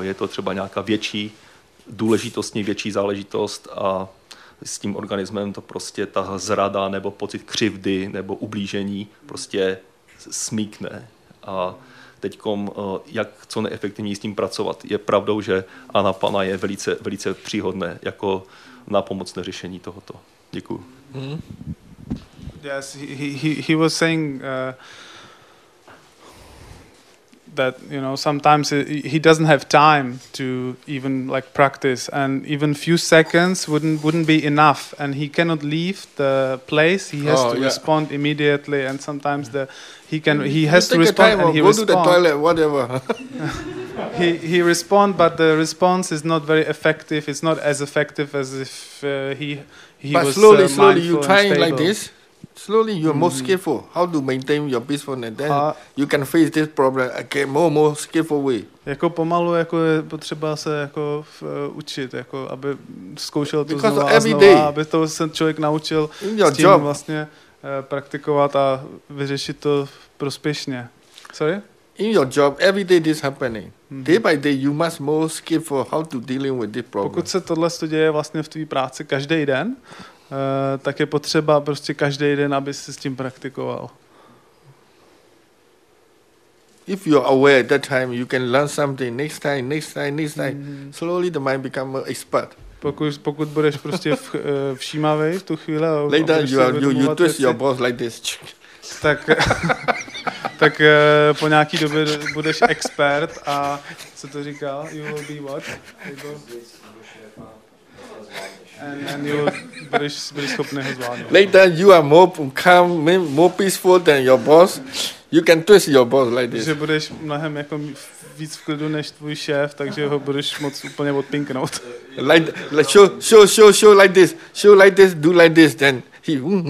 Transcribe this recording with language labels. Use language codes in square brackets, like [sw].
[cs] Je to třeba nějaká větší důležitostně větší záležitost a s tím organismem to prostě ta zrada nebo pocit křivdy nebo ublížení prostě smíkne. A teďkom, jak co neefektivní s tím pracovat, je pravdou, že anapana je velice, velice příhodné jako nápomocné řešení tohoto. Děkuju. [en] Yes, he was saying that, you know, sometimes he doesn't have time to even like practice, and even few seconds wouldn't be enough, and he cannot leave the place. He has to respond immediately, and sometimes he has to respond. he respond, but the response is not very effective. It's not as effective as if he was slowly you trying like this. Slowly, you're more skillful. How to maintain your peacefulness? Then you can face this problem again more skillful way. [cs] Jako pomalu, jako je potřeba se jako učit, jako aby zkoušel to znova a znova, aby to se člověk naučil s tím vlastně praktikovat a vyřešit to prospěšně. [en] Sorry? In your job, every day this happening. Day by day, you must more skillful how to dealing with this problem. [cs] Pokud se tohle děje vlastně v tvý práci každý den, tak je potřeba prostě každý den, aby se s tím praktikoval. [en] If you are aware at that time, you can learn something next time. Slowly the mind become more expert. [cs] Pokud budeš prostě všímavý v tu chvíli, [en] later you twist your boss like this. [cs] Tak po nějaký době budeš expert a co to říká? [en] You will be what? And then you [cs] budeš schopný ho zvládnout. [en] Later you are more peaceful than your boss. You can twist your boss like this. [cs] Že budeš mnohem jako víc v klidu než tvůj šéf, takže ho budeš moc úplně odpinknout. [en] Like show like this. Show like this, do like this, then he